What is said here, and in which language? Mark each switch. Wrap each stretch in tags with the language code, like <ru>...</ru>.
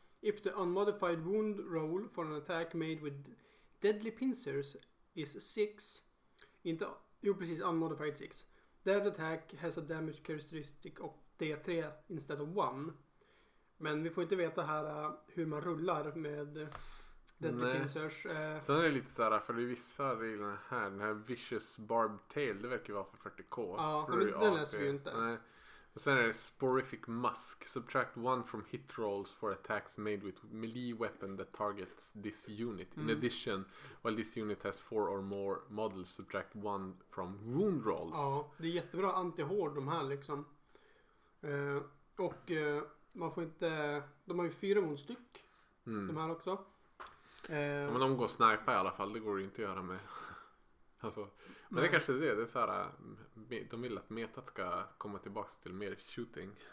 <en>If the unmodified wound roll for an attack made with deadly pincers is 6.</en> <sv>Inte, jo precis,</sv> <en>unmodified 6. That attack has a damage characteristic of D3 instead of 1.</en> <sv>Men vi får inte veta här hur man rullar med deadly pincers. Sen är det lite så här, för det är vissa regler här. Den här vicious barb tail, det verkar vara för 40k. Ja, men den läser vi ju inte. Nej. Och sen är det sporific musk.</sv> <en>Subtract one from hit rolls for attacks made with melee weapon that targets this unit. In addition, while this unit has 4 or more models, subtract one from wound rolls.</en> <sv>Ja, det är jättebra anti-hård de här liksom. Och... man får inte, de har ju 4 wundstyck de här också. Ja, men de går snipa i alla fall, det går ju inte att göra med. Alltså, men det är kanske det är så här, de vill att metat ska komma tillbaka till mer shooting.</sv>